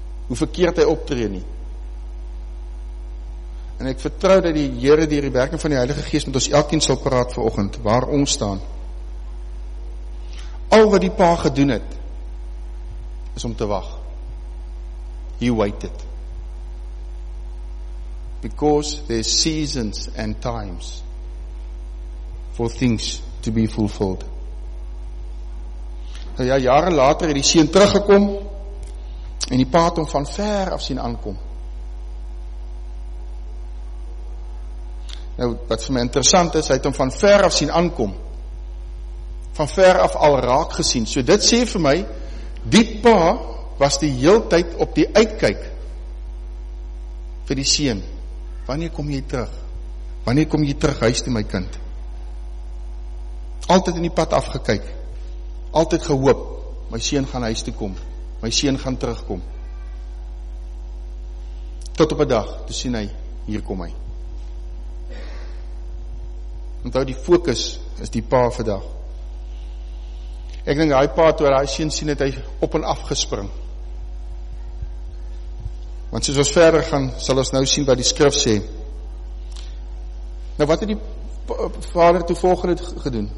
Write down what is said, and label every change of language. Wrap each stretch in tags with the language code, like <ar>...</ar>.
<af>Hoe verkeerd hy optree nie. En ek vertrou dat die Here deur die werking van die Heilige Gees met ons elkeen sal praat vanoggend waar ons staan. Al wat die pa gedoen het, is om te wag.</af> <en>He waited. Because there's seasons and times for things to be fulfilled.</en> <af>Ja, jare later het die seun teruggekom en die pa het hom van ver af sien aankom. Nou, wat vir my interessant is, hy het hom van ver af sien aankom. Van ver af al raak gesien. So dit sê vir my, die pa was die heel tyd op die uitkyk vir die seun. Wanneer kom jy terug? Wanneer kom jy terug huis toe my kind? Altyd in die pad afgekyk. Altyd gehoop, my seun gaan huis toe kom, my seun gaan terugkom. Tot op 'n dag, toe sien hy, hier kom hy. Onthou die fokus is die pa vandag. Ek dink hy pa toe hy seun sien het hy op en af gespring. Want soos ons verder gaan, sal ons nou sien wat die skrif sê. Nou wat het die vader toe volgende gedoen?</af>